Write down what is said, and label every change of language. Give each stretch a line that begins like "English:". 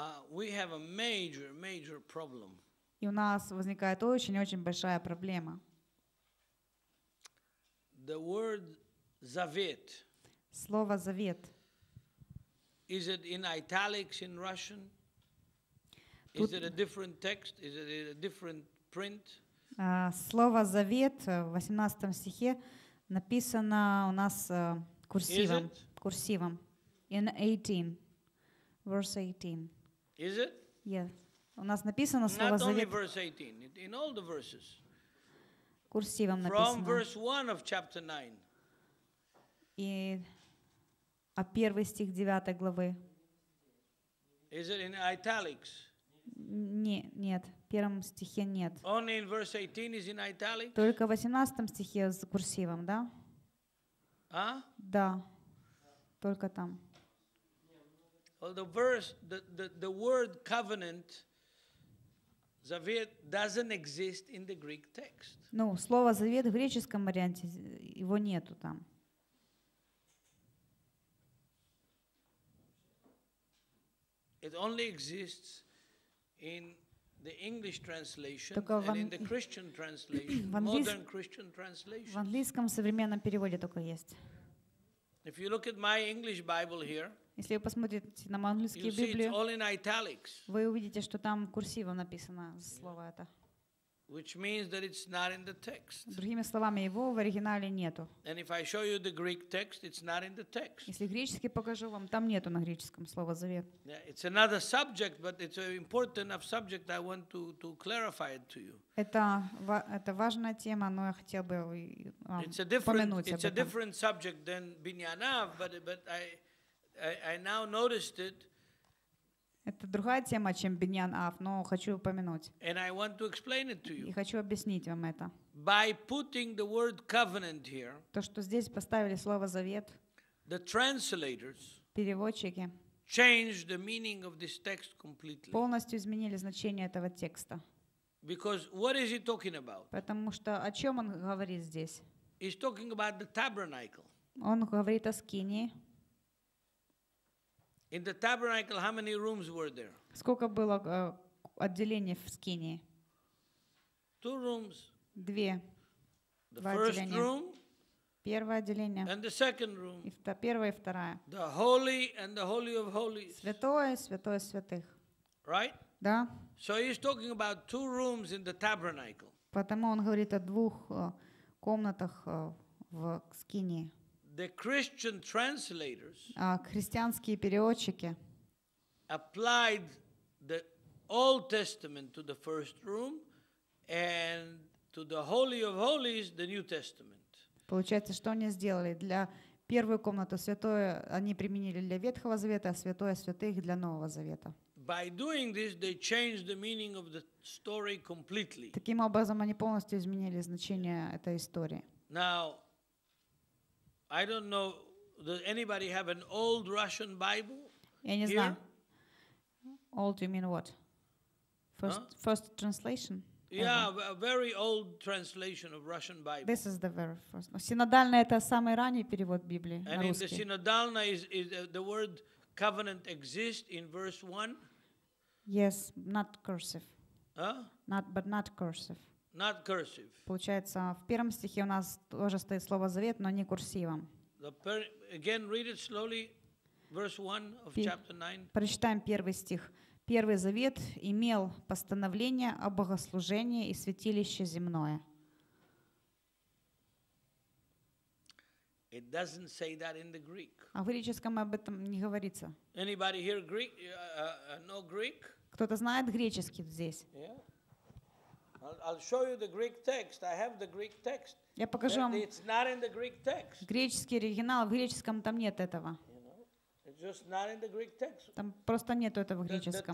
English: We have a major, major problem.
Russian: И у нас возникает очень-очень большая проблема.
English: The word Завет.
Russian: Слово Завет.
English: Is it in italics in Russian? Is it a different text? Is it a different print?
Russian: Слово Завет в 18 стихе написано у нас курсивом. Курсивом.
English: In 18. Verse 18. Is it?
Russian: Yes. У нас написано слово
English: Not
Russian: Завет.
English: Not only verse 18. In all the verses.
Russian: Курсивом
English: From
Russian: написано.
English: From verse 1 of chapter 9.
Russian: И, а первый стих 9 главы?
English: Is it in italics?
Russian: Нет, в первом стихе нет.
English: Only in verse 18 is in italics?
Russian: Только в 18 стихе с курсивом, да? А? Да, только там.
English: Well, the verse, the word covenant, Завет, doesn't exist in the Greek text.
Russian: Ну, слово Завет в греческом варианте, его нету там.
English: It only exists in the English translation and in the Christian translation, modern Christian translation.
Russian: В английском современном переводе только есть.
English: If you look at my English Bible here,
Russian: если вы посмотрите на мою английскую Библию,
English: it's all in italics.
Russian: Вы увидите, что там курсивом написано слово это.
English: Which means that it's not in the text.
Russian: Другими словами, его в оригинале нету.
English: And if I show you the Greek text, it's not in the text.
Russian: Если греческий покажу вам, там нету на греческом слова Завет.
English: Yeah, it's another subject, but it's an important enough subject I want to clarify it to you.
Russian: Это важная тема, но я хотел бы вам упомянуть об этом.
English: It's a different subject than Binyanav, but I now noticed it.
Russian: Это другая тема, чем Биньян Ав, но хочу упомянуть.
English: And I want to explain it to you.
Russian: И хочу объяснить вам это.
English: By putting the word covenant here,
Russian: то, что здесь поставили слово Завет,
English: the translators
Russian: переводчики
English: changed the meaning of this text completely.
Russian: Полностью изменили значение этого текста.
English: Because what is he talking about?
Russian: Потому что о чем он говорит здесь?
English: He's talking about the tabernacle.
Russian: Он говорит о скинии.
English: In the tabernacle, how many rooms were there?
Russian: Сколько было отделений в скинии?
English: Two rooms.
Russian: Две.
English: The first room.
Russian: Первое отделение.
English: And the second room.
Russian: И первое и второе.
English: The holy and the holy of holies.
Russian: Святое, святое святых.
English: Right?
Russian: Да.
English: So he's talking about two rooms in the tabernacle.
Russian: Потому он говорит о двух комнатах в скинии.
English: The Christian translators
Russian: христианские переводчики
English: applied the Old Testament to the first room and to the Holy of Holies the New Testament.
Russian: Получается, что они сделали для первой комнаты святое они применили для Ветхого Завета, а святое святых для Нового Завета.
English: By doing this, they changed the meaning of the story completely.
Russian: Таким образом, они полностью изменили значение этой истории.
English: Now, I don't know. Does anybody have an old Russian Bible?
Russian: Я не знаю.
English: Old, you mean what? First translation? Yeah, a very old translation of Russian Bible. This is the very first.
Russian: Синодальная это самый ранний перевод Библии на русский.
English: And in the Синодальная is the word covenant exists in verse 1? Yes, not cursive. Huh? Not cursive. Not cursive.
Russian: Получается, в первом стихе у нас тоже стоит слово Завет, но не курсивом.
English: Again, read it slowly. Verse 1 of chapter 9.
Russian: Прочитаем первый стих. Первый Завет имел постановление о богослужении и святилище земное.
English: It doesn't say that in the Greek.
Russian: А в греческом об этом не говорится.
English: Anybody here Greek? No Greek?
Russian: Кто-то знает греческий здесь?
English: Yeah. I'll show you the Greek text. I have the Greek text.
Russian: Я покажу вам.
English: It's not in the Greek text.
Russian: Греческий оригинал. В греческом там нет этого.
English: You know, it just not in the Greek text.
Russian: Там просто нету этого в греческом.